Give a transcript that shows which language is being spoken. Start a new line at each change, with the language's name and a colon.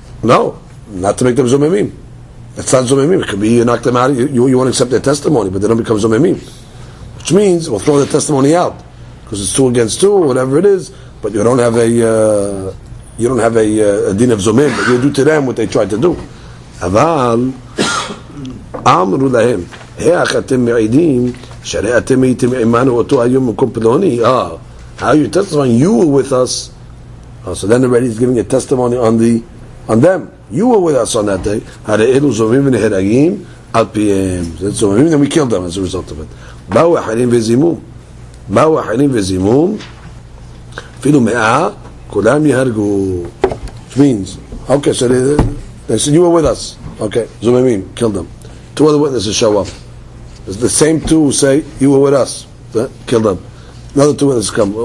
English: No, not to make them zomemim. It's not zomemim. It could be you knock them out. You won't accept their testimony, but they don't become zomemim. Which means we'll throw the testimony out because it's two against two, whatever it is. But you don't have a din of zomim. But you do to them what they tried to do.
Hebrew: Aval amru lahem. איך אתם מעידים שהרי אתם הייתם עמנו אותו היום במקום פלוני?
English: How are you testifying? You were with us. So then already he's giving a testimony on them. You were with us on that day.
Hebrew: הרי אלו זוממים ונהרגים על פיהם. זה זוממים,
English: then we killed them as a result of it.
Hebrew: באו אחרים וזימו. באו אחרים וזימו. אפילו מאה, כולם יהרגו.
English: Which means, okay, so they said you were with us. Okay, זוממים, kill them. Two other witnesses show up. It's the same two who say, you were with us. Kill them. Another two witnesses come.